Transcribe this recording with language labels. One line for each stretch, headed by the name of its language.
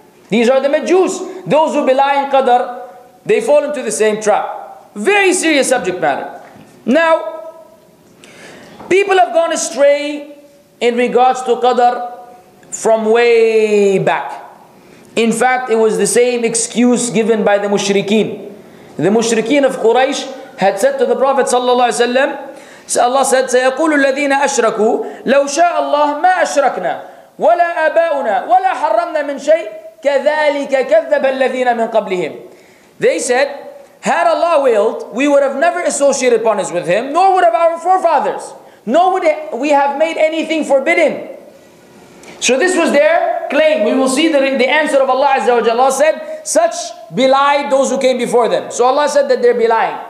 English: These are the Majus. Those who belie in Qadr, they fall into the same trap. Very serious subject matter. Now, people have gone astray in regards to Qadr from way back. In fact, it was the same excuse given by the mushrikeen. The mushrikeen of Quraysh had said to the Prophet sallallahu alaihi wasallam, Allah said,
Arabic: سَيَقُولُ الَّذِينَ أَشْرَكُوا لَوْ شَاءَ اللَّهُ مَا أَشْرَكْنَا وَلَا أَبَاؤُنَا وَلَا حَرَّمْنَا مِنْ شَيْءٍ كَذَلِكَ كَذَّبَ الَّذِينَ مِنْ قَبْلِهِمْ.
English: They said, had Allah willed, we would have never associated partners with Him, nor would have our forefathers, nor would we have made anything forbidden. So this was their claim. We will see the answer of Allah Azza wa Jalla. Allah said, such belied those who came before them. So Allah said that they're belying.